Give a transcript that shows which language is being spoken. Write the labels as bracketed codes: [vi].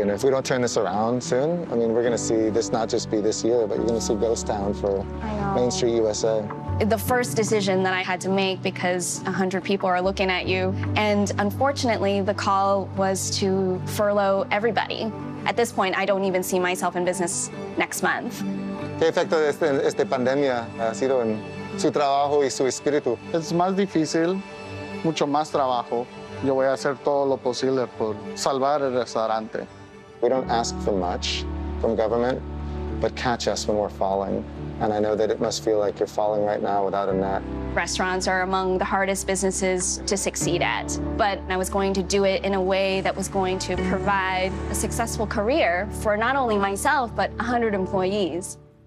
[en] And if we don't turn this around soon, I mean, we're gonna see this not just be this year, but you're gonna see ghost town for Main Street USA. The first decision that I had to make, because 100 people are looking at you, and unfortunately, the call was to furlough everybody. At this point, I don't even see myself in business next month. [es] ¿Qué efecto de esta pandemia ha sido en su trabajo y su espíritu? Es más difícil, mucho más trabajo. Yo voy a hacer todo lo posible por salvar el restaurante. [en] We don't ask for much from government, but catch us when we're falling. And I know that it must feel like you're falling right now without a net. Restaurants are among the hardest businesses to succeed at, but I was going to do it in a way that was going to provide a successful career for not only myself, but 100 employees.